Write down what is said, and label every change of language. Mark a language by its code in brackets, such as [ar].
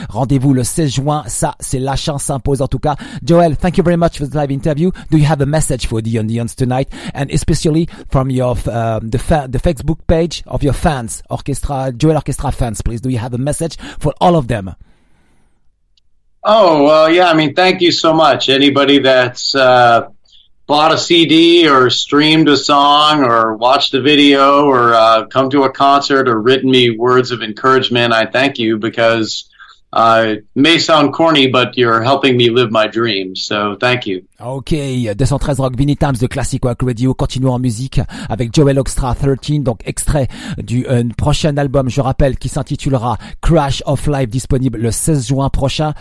[fr] Rendez-vous le 16 juin, ça c'est la chance s'impose en tout cas. [en] Joel, thank you very much for the live interview. Do you have a message for the audience tonight, and especially from your the Facebook page of your fans, Orchestra Joel Orchestra fans, please? Do you have a message for all of them? Oh, well, yeah, I mean, thank you so much. Anybody that's bought a CD or streamed a song or watched a video or come to a concert or written me words of encouragement, I thank you, because it may sound corny, but you're helping me live my dream. So, thank you. [fr] Ok, 213 Rock, Vinnie Times de Classic Rock Radio. Continuons en musique avec Joel Oxtra 13, donc extrait du prochain album, je rappelle, qui s'intitulera Crash of Life, disponible le 16 juin prochain.